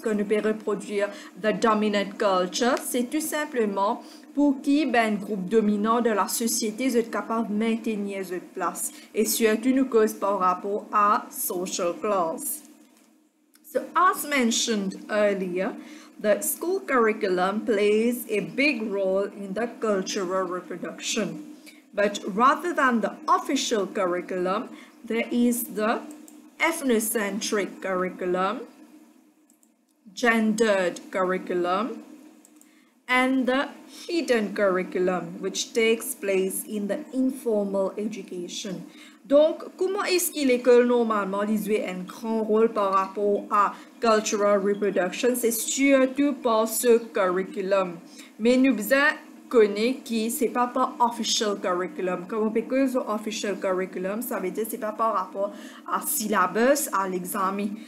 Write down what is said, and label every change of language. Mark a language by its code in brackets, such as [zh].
[fr] Quand nous parlons reproduire [en] the dominant culture, [fr] c'est tout simplement pour qui ben un groupe dominant de la société est capable de maintenir cette place et surtout nous cause par rapport à social class. [en] So as mentioned earlier, the school curriculum plays a big role in the cultural reproduction. But rather than the official curriculum, there is the ethnocentric curriculum, gendered curriculum, and the hidden curriculum, which takes place in the informal education. [fr] Donc, comment est-ce que l'école normalement joue un grand rôle par rapport à cultural reproduction? C'est surtout par ce curriculum. Mais nous devons connaître que ce n'est pas par official curriculum. Comme on peut dire official curriculum, ça veut dire que ce n'est pas par rapport à syllabus, à l'examen.